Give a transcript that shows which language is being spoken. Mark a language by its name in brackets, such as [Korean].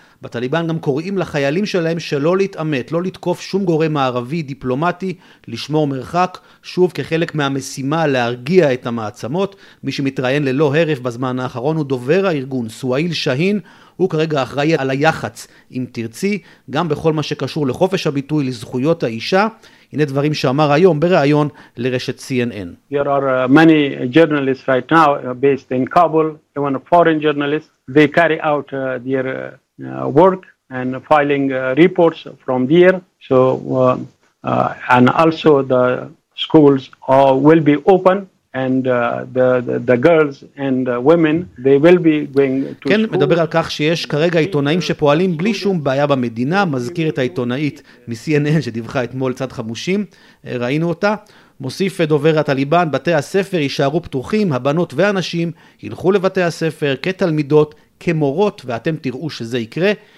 [Hebrew] בטליבן גם קוראים לחיילים שלהם שלא להתעמת, לא לתקוף שום גורם מערבי דיפלומטי, לשמור מרחק, שוב כחלק מהמשימה להרגיע את המעצמות. מי שמתראיין ללא הרף בזמן האחרון הוא דובר הארגון, סואיל שהין, הוא כרגע אחראי על היחץ, אם תרצי, גם בכל מה שקשור לחופש הביטוי, לזכויות האישה. הנה דברים שאמר היום בראיון לרשת CNN. [English] There are many journalists right now based in Kabul, even foreign journalists. They carry out their work and filing reports from there. So, and also the schools will be open. And the girls and women, they will be going to [Hebrew] כן, [English] school. [Hebrew] מדבר על כך שיש כרגע עיתונאים שפועלים בלי שום בעיה במדינה, מזכיר את העיתונאית מ-CNN שדיווחה אתמול צד חמושים, ראינו אותה. מוסיף דובר הטליבן, בתי הספר יישארו פתוחים, הבנות והנשים ילכו לבתי הספר כתלמידות, כמורות, ואתם תראו שזה יקרה.